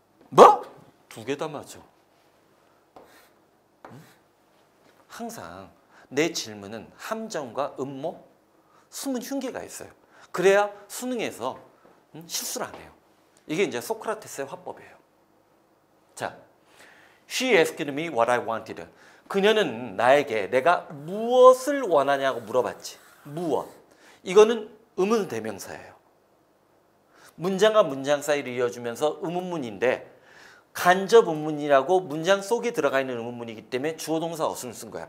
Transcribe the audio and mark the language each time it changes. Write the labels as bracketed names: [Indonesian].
[Korean] 뭐? 두 개 다 맞아. 응? 항상 내 질문은 함정과 음모, 숨은 흉기가 있어요. 그래야 수능에서 응? 실수를 안 해요. 이게 이제 소크라테스의 화법이에요. [English] 자, She asked me what I wanted. [Korean] 그녀는 나에게 내가 무엇을 원하냐고 물어봤지. 무엇? 이거는 의문 대명사예요. 문장과 문장 사이를 이어주면서 의문문인데 간접 의문이라고 문장 속에 들어가 있는 의문문이기 때문에 주어동사 어순을 쓴 거야.